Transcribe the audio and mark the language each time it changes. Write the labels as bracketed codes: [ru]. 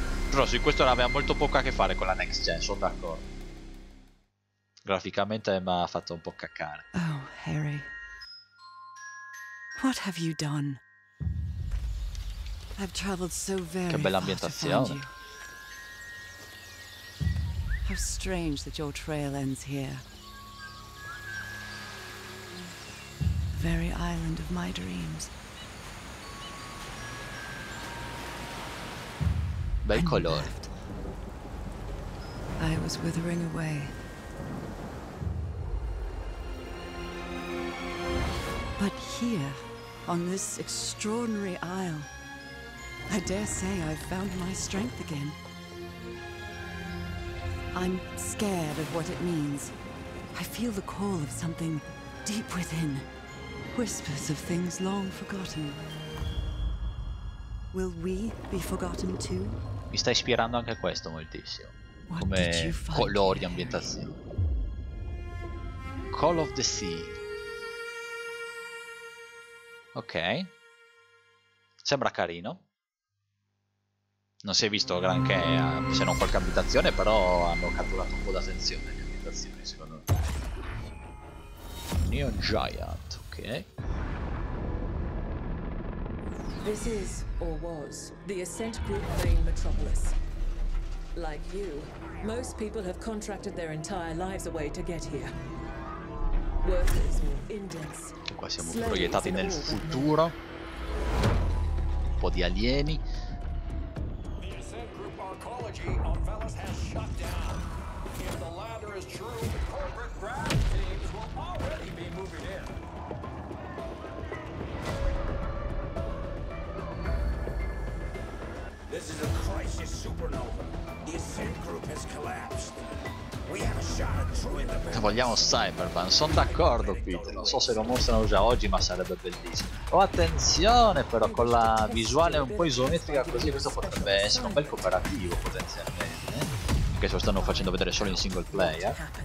[it] Però sì, questo aveva molto poco a che fare con la next gen, sono d'accordo. Graficamente mi ha fatto un po' caccare. [en] Oh, Harry. What have you done? I've traveled so very far. [it] Che bella ambientazione. [en] How strange that your trail ends here. Very island of my dreams. [it] Bel colore. [en] I was withering away. But here, on this extraordinary isle, I dare say I've found my strength again. I'm scared of what it means. I feel the call of something deep within. Whispers of things long forgotten. Will we be forgotten too? [it] Mi sta ispirando anche questo moltissimo. Come colori, ambientazione. Call of the Sea. Ok. Sembra carino. Non si è visto granché, se non qualche ambientazione, però hanno catturato un po' d'attenzione le ambientazioni, secondo me. Neon Giant, ok. [en] This is, or was, the Ascent Group main metropolis. Like you, most people have contracted their entire lives away to get here. Workers or indents. [it] Qua siamo proiettati nel futuro. Un po' di alieni. [en] The Ascent Group Arcology on Velas has shut down. If the latter is true, the corporate ground teams will already be moving in. This is a crisis supernova. The Ascent Group has collapsed. [it] Vogliamo Cyberpunk, sono d'accordo Pete, non so se lo mostrano già oggi ma sarebbe bellissimo. Oh, attenzione però, con la visuale un po' isometrica così questo potrebbe essere un bel cooperativo potenzialmente, anche se lo stanno facendo vedere solo in single player.